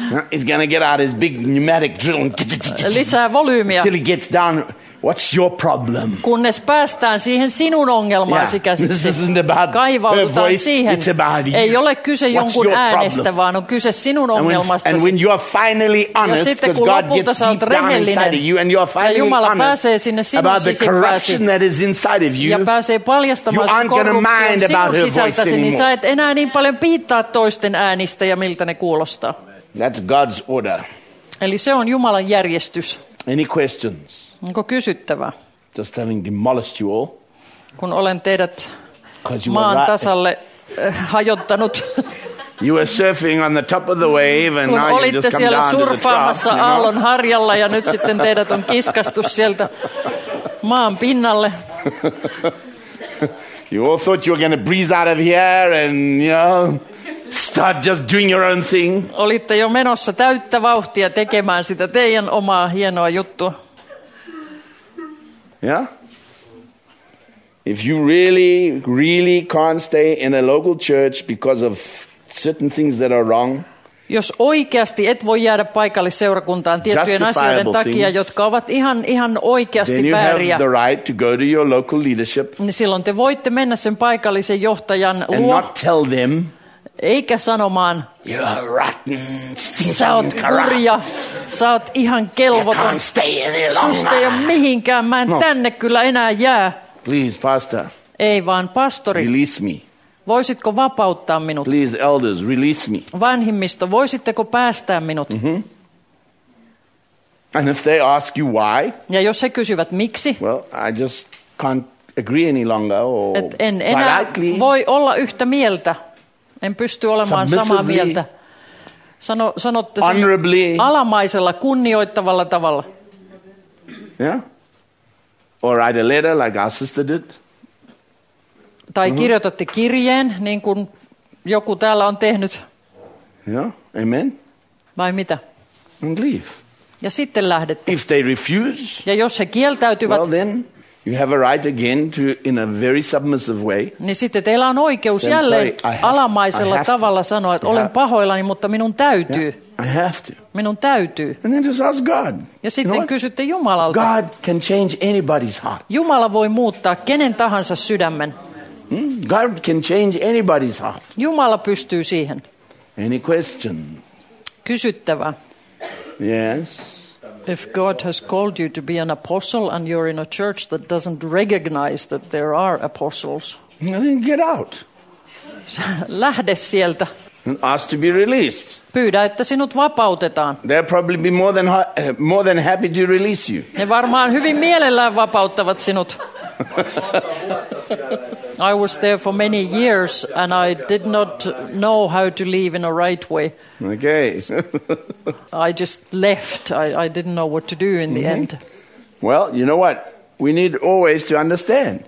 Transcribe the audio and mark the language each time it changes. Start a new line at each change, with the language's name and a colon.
English: He's gonna get out his big pneumatic drill and
Finnish: lisää volyymia.
English: Till he gets down, what's your problem?
Finnish: Kunnes päästään siihen sinun ongelmaasi käsiksi. Kaivaudutaan siihen.
English: It's about you.
Finnish: Ei ole kyse jonkun äänestä,
English: problem?
Finnish: Vaan on kyse sinun ongelmastasi.
English: And when you are finally honest, because God gets deep down inside of you, and you are finally honest about the corruption that is inside of you,
Finnish: ja pääsee paljastamaan
English: you aren't gonna mind about her voice anymore.
Finnish: Niin sä et enää niin paljon piittaa toisten äänistä ja miltä ne kuulostaa.
English: That's God's order.
Finnish: Eli se on Jumalan järjestys.
English: Any questions?
Finnish: Onko kysyttävää?
English: Just having demolished you all.
Finnish: Kun olen teidät maan tasalle hajottanut.
English: You were surfing on the top of the wave and
Finnish: kun
English: now you just come down to the trough.
Finnish: Aallon harjalla ja nyt sitten teidät on kiskastu sieltä maan pinnalle.
English: You all thought you were going to breeze out of here and you know, start just doing your own thing.
Finnish: Olitte jo menossa täyttä vauhtia tekemään sitä teidän omaa hienoa juttua.
English: Yeah? If you really, really can't stay in a local church because of certain things that are wrong.
Finnish: Jos oikeasti et voi jäädä paikalliseurakuntaan tiettyjen asioiden takia, jotka ovat ihan oikeasti vääriä,
English: right to go to your local leadership.
Finnish: Niin silloin te voitte mennä sen paikallisen johtajan luo.
English: And not tell them.
Finnish: Eikä sanomaan,
English: you're rotten,
Finnish: sä oot hurja, sä oot ihan kelvoton, susta ei ole mihinkään, mä en tänne kyllä enää jää.
English: Please, pastor.
Finnish: Ei vaan, pastori,
English: release me.
Finnish: Voisitko vapauttaa minut?
English: Please, elders, release me.
Finnish: Vanhimmisto, voisitteko päästää minut?
English: Mm-hmm. And if they ask you why,
Finnish: ja jos he kysyvät miksi,
English: well, I just can't agree any longer, or
Finnish: et en enää
English: likely
Finnish: voi olla yhtä mieltä. En pysty olemaan samaa mieltä. Sanotte sen alamaisella, kunnioittavalla tavalla.
English: Yeah. Or write a letter like our sister did.
Finnish: Tai kirjoitatte kirjeen, niin kuin joku täällä on tehnyt.
English: Yeah. Amen.
Finnish: Vai mitä?
English: And leave.
Finnish: Ja sitten lähdette.
English: If they refuse,
Finnish: ja jos he kieltäytyvät,
English: well then, you have a right again to, in a very submissive way.
Finnish: Niin sitten teillä on oikeus jälleen alamaisella tavalla sanoa, että olen pahoillani, mutta minun täytyy.
English: Yeah, I have to.
Finnish: Minun täytyy.
English: And then just ask God.
Finnish: Ja sitten kysytte Jumalalta.
English: God can change anybody's heart.
Finnish: Jumala voi muuttaa kenen tahansa sydämen. Hmm?
English: God can change anybody's heart.
Finnish: Jumala pystyy siihen.
English: Any question?
Finnish: Kysyttävä.
English: Yes. If God has called you to be an apostle and you're in a church that doesn't recognize that there are apostles, then get out.
Finnish: Lähde sieltä.
English: And ask to be released.
Finnish: Pyydä, että sinut vapautetaan.
English: They'll probably be more than happy to release you.
Finnish: Ne varmaan hyvin mielellään vapauttavat sinut.
English: I was there for many years and I did not know how to leave in a right way. Okay. I just left. I didn't know what to do in the end. Well, you know what? We need always to understand.